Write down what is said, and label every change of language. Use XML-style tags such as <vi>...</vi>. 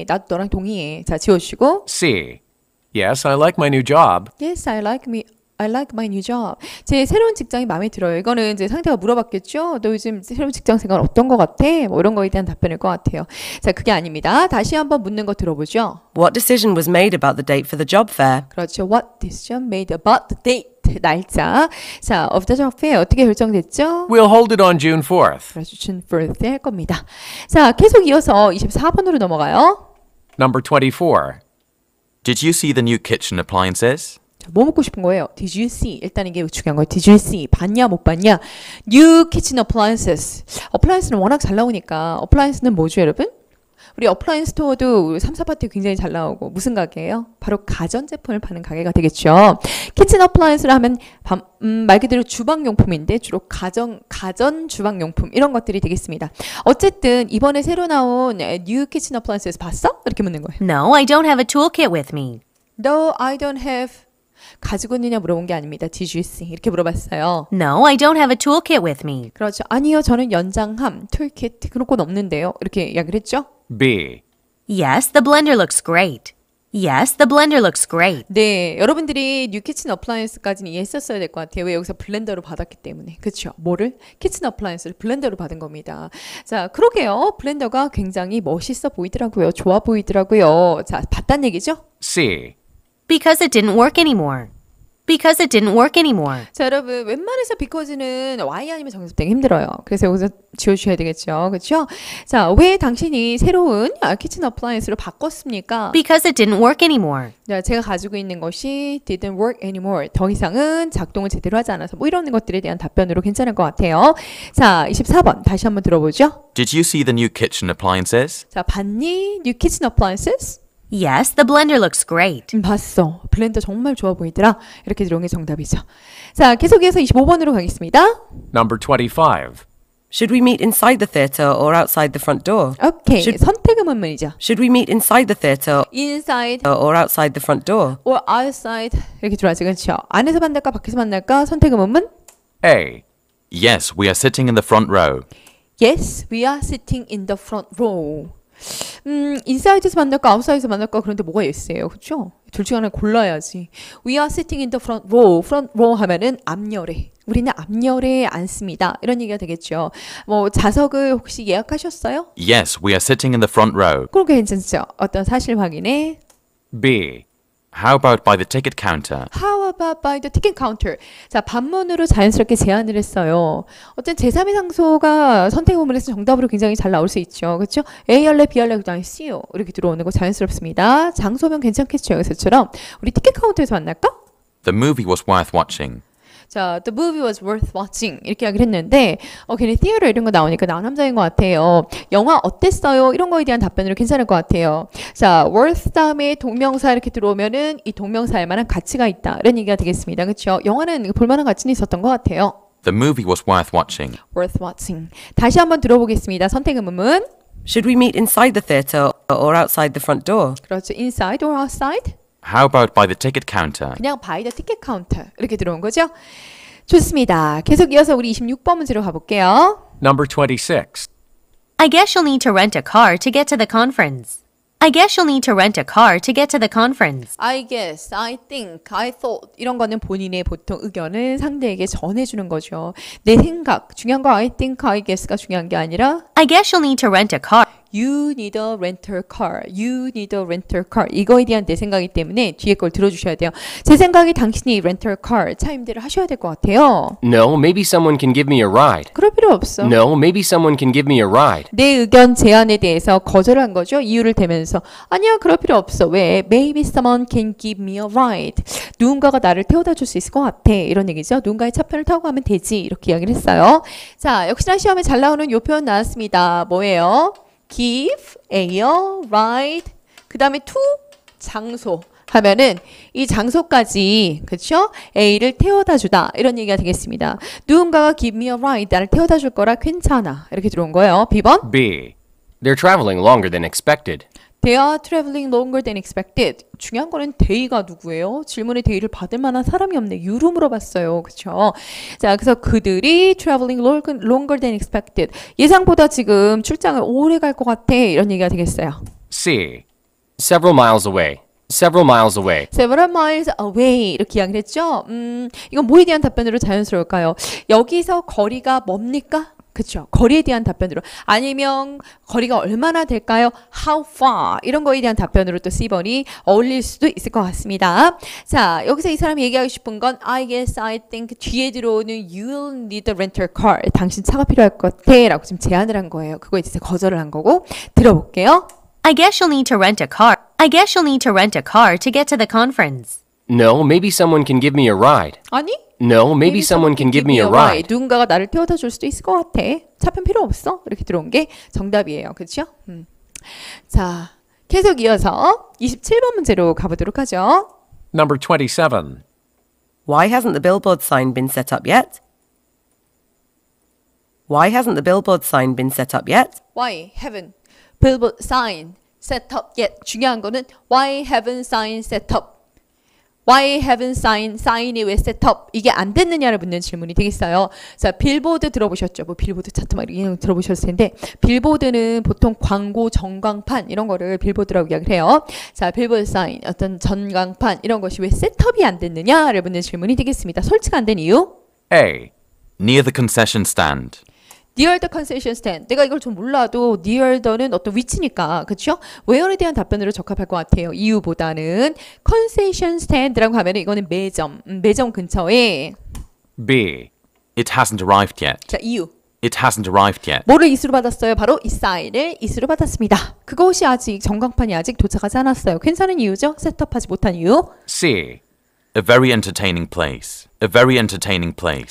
<ko>나도 너랑 동의해. 자, 치우시고.</ko> <en>C. Yes, I like my new job. Yes, I like me. I like my new job.</en> <ko>제 새로운 직장이 마음에 들어요. 이거는 이제 상대가 물어봤겠죠? 너 요즘 새로운 직장 생활 어떤 것 같아? 뭐 이런 거에 대한 답변일 것 같아요. 자, 그게 아닙니다. 다시 한번 묻는 거 들어보죠.</ko> <en>What decision was made about the date for the job fair?</en> <ko>그렇죠.</ko> <en>What decision made about the date?</en> <ko>날짜.</ko> <en>자, of the job fair</en> <ko>어떻게 결정됐죠?</ko> <en>We'll hold it on June 4th.</en> <ko>그렇죠.</ko> <en>June 4th</en> <ko>할 겁니다. 자, 계속 이어서 24번으로 넘어가요.</ko> <en>Number 24. Did you see the new kitchen appliances?</en> <ko>뭐 먹고 싶은 거예요?</ko> <en>Did you see?</en> <ko>일단 이게 중요한 거예요.</ko> <en>Did you see?</en> <ko>봤냐 못 봤냐?</ko> <en>New kitchen appliances.</en> <ko>Appliance는 워낙 잘 나오니까. Appliance는 뭐죠 여러분? 우리 appliance 스토어도 삼사파티 굉장히 잘 나오고 무슨 가게예요? 바로 가전제품을 파는 가게가 되겠죠. Kitchen appliance를 하면 말 그대로 주방용품인데 주로 가전주방용품 이런 것들이 되겠습니다. 어쨌든 이번에 새로 나온</ko> <en>new kitchen appliances</en> <ko>봤어? 이렇게 묻는 거예요.</ko> <en>No, I don't have a toolkit with me. No, I don't have...</en> <ko>가지고 있느냐 물어본 게 아닙니다.</ko> <en>Did you see?</en> <ko>이렇게 물어봤어요.</ko> <en>No, I don't have a toolkit with me.</en> <ko>그렇죠. 아니요, 저는 연장함, 툴킷 그런 건 없는데요. 이렇게 이야기를 했죠.</ko> <en>B. Yes, the blender looks great. Yes, the blender looks great.</en> <ko>네, 여러분들이 New Kitchen Appliance까지는 이해했었어야 될 것 같아요. 왜 여기서 블렌더로 받았기 때문에. 그렇죠. 뭐를? Kitchen Appliance를 블렌더로 받은 겁니다. 자, 그러게요. 블렌더가 굉장히 멋있어 보이더라고요. 좋아 보이더라고요. 자, 봤단 얘기죠?</ko> <en>C. Because it didn't work anymore. Because it didn't work anymore.</en> <ko>자, 여러분, 웬만해서 because는 why 아니면 정답 되기 힘들어요. 그래서 여기서 지워주셔야 되겠죠. 그렇죠? 자, 왜 당신이 새로운</ko> <en>kitchen appliance</en> <ko>로 바꿨습니까?</ko> <en>Because it didn't work anymore.</en> <ko>자, 제가 가지고 있는 것이</ko> <en>didn't work anymore.</en> <ko>더 이상은 작동을 제대로 하지 않아서 뭐 이런 것들에 대한 답변으로 괜찮을 것 같아요. 자, 24번 다시 한번 들어보죠.</ko> <en>Did you see the new kitchen appliances?</en> <ko>자, 봤니?</ko> <en>New kitchen appliances? Yes, the blender looks great.</en> <ko>봤어. 블렌더 정말 좋아 보이더라. 이렇게 들어온 게 정답이죠. 자, 계속해서 25번으로 가겠습니다.</ko> <en>Number 25. Should we meet inside the theater or outside the front door? Okay. Should...</en> <ko>선택은 문문이죠.</ko> <en>Should we meet inside the theater? Inside. Or outside the front door? Or outside.</en> <ko>이렇게 들어왔죠. 그렇죠. 안에서 만날까 밖에서 만날까? 선택은 문문.</ko> <en>A. Yes, we are sitting in the front row. Yes, we are sitting in the front row.</en> <ko>인사이드에서 만날까 아웃사이드에서 만날까 그런데 뭐가 예스예요. 그렇죠? 둘 중 하나 골라야지.</ko> <en>We are sitting in the front row.</en> <ko>Front row 하면은 앞열에. 우리는 앞열에 앉습니다. 이런 얘기가 되겠죠. 뭐 좌석을 혹시 예약하셨어요?</ko> <en>Yes, we are sitting in the front row.</en> <ko>그런 게 괜찮죠. 어떤 사실 확인에.</ko> <en>B. How about by the ticket counter? How about by the ticket counter?</en> <ko>자, 반문으로 자연스럽게 제안을 했어요. 어떤 제3의 장소가 선택의 부분에서 정답으로 굉장히 잘 나올 수 있죠. 그렇죠? A할래, B할래, 그다음에 C요. 이렇게 들어오는 거 자연스럽습니다. 장소면 괜찮겠죠, 여기서처럼. 우리</ko> <en>ticket counter</en> <ko>에서 만날까?</ko> <en>The movie was worth watching.</en> <ko>자,</ko> <en>the movie was worth watching</en> <ko>이렇게 이야기를 했는데 괜히 theater 이런 거 나오니까 나온 함정인 것 같아요. 영화 어땠어요? 이런 거에 대한 답변으로 괜찮을 것 같아요. 자, worth 다음에 동명사 이렇게 들어오면은 이 동명사할 만한 가치가 있다 이런 얘기가 되겠습니다. 그렇죠? 영화는 볼만한 가치는 있었던 것 같아요.</ko> <en>The movie was worth watching. Worth watching.</en> <ko>다시 한번 들어보겠습니다. 선택의 문문.</ko> <en>Should we meet inside the theater or outside the front door?</en> <ko>그렇죠.</ko> <en>Inside or outside? How about by the ticket counter?</en> <ko>그냥</ko> <en>by the ticket counter</en> <ko>이렇게 들어온 거죠? 좋습니다. 계속 이어서 우리 26번 문제로 가볼게요.</ko> <en>Number 26. I guess you'll need to rent a car to get to the conference. I guess you'll need to rent a car to get to the conference. I guess, I think, I thought</en> <ko>이런 거는 본인의 보통 의견을 상대에게 전해주는 거죠. 내 생각, 중요한 거</ko> <en>I think, I guess</en> <ko>가 중요한 게 아니라</ko> <en>I guess you'll need to rent a car. You need a rental car. You need a rental car.</en> <ko>이거에 대한 내 생각이기 때문에 뒤에 걸 들어주셔야 돼요. 제 생각이 당신이</ko> <en>rental car,</en> <ko>차 임대를 하셔야 될 것 같아요.</ko> <en>No, maybe someone can give me a ride.</en> <ko>그럴 필요 없어.</ko> <en>No, maybe someone can give me a ride.</en> <ko>내 의견 제안에 대해서 거절한 거죠. 이유를 대면서. 아니요, 그럴 필요 없어. 왜?</ko> <en>Maybe someone can give me a ride.</en> <ko>누군가가 나를 태워다 줄 수 있을 것 같아. 이런 얘기죠. 누군가의 차편을 타고 가면 되지. 이렇게 이야기를 했어요. 자, 역시나 시험에 잘 나오는 요 표현 나왔습니다. 뭐예요?</ko> <en>Give a ride.</en> <ko>그 다음에 to 장소 하면은 이 장소까지 그렇죠? A를 태워다 주다 이런 얘기가 되겠습니다. 누군가가</ko> <en>give me a ride</en> <ko>나를 태워다 줄 거라 괜찮아 이렇게 들어온 거예요. B번.</ko> <en>B. They're traveling longer than expected. They are traveling longer than expected.</en> <ko>중요한 거는 they가 누구예요? 질문에 they를 받을 만한 사람이 없네. 유로 물어봤어요. 그렇죠? 자, 그래서 그들이</ko> <en>traveling longer than expected.</en> <ko>예상보다 지금 출장을 오래 갈 것 같아. 이런 얘기가 되겠어요.</ko> <en>C. Several miles away. Several miles away. Several miles away. 이렇게 이야기를 했죠?</en> <ko>이건 뭐에 대한 답변으로 자연스러울까요? 여기서 거리가 뭡니까? 그렇죠. 거리에 대한 답변으로 아니면 거리가 얼마나 될까요?</ko> <en>How far?</en> <ko>이런 거에 대한 답변으로 또 C번이 어울릴 수도 있을 것 같습니다. 자, 여기서 이 사람이 얘기하고 싶은 건</ko> <en>I guess, I think</en> <ko>뒤에 들어오는</ko> <en>You'll need a rental car.</en> <ko>당신 차가 필요할 것 같아 라고 지금 제안을 한 거예요. 그거에 대해서 거절을 한 거고 들어볼게요.</ko> <en>I guess you'll need to rent a car. I guess you'll need to rent a car to get to the conference. No, maybe someone can give me a ride.</en> <ko>아니?</ko> <en>No, maybe someone can give me a ride.</en> <ko>누군가가 나를 태워다 줄 수도 있을 것 같아. 차편 필요 없어. 이렇게 들어온 게 정답이에요. 그렇죠? 자, 계속 이어서 27번 문제로 가보도록 하죠.</ko> <en>Number 27. Why hasn't the billboard sign been set up yet? Why hasn't the billboard sign been set up yet? Why haven't billboard sign set up yet?</en> <ko>중요한 거는</ko> <en>why haven't sign set up? Why haven't sign, sign이 왜 set up?</en> <ko>이게 안 됐느냐를 묻는 질문이 되겠어요. 자, 빌보드 들어보셨죠? 뭐 빌보드 차트 막 이런 거 들어보셨을 텐데 빌보드는 보통 광고 전광판 이런 거를 빌보드라고 이야기를 해요. 자, 빌보드 sign, 어떤 전광판 이런 것이 왜 set up이 안 됐느냐를 묻는 질문이 되겠습니다. 설치가 안 된 이유?</ko> <en>A. Near the concession stand. Near the concession stand.</en> <ko>내가 이걸 좀 몰라도</ko> <en>near the</en> <ko>는 어떤 위치니까, 그렇죠? Where에 대한 답변으로 적합할 것 같아요. 이유보다는 concession stand라고 하면 이거는 매점, 매점 근처에.</ko> <en>B. It hasn't arrived yet.</en> <ko>자, 이유.</ko> <en>It hasn't arrived yet.</en> <ko>뭐를 이수로 받았어요? 바로 이 사인을 이수로 받았습니다. 그것이 아직 전광판이 아직 도착하지 않았어요. 괜찮은 이유죠? 셋업하지 못한 이유.</ko> <en>C. A very entertaining place. A very entertaining place.</en>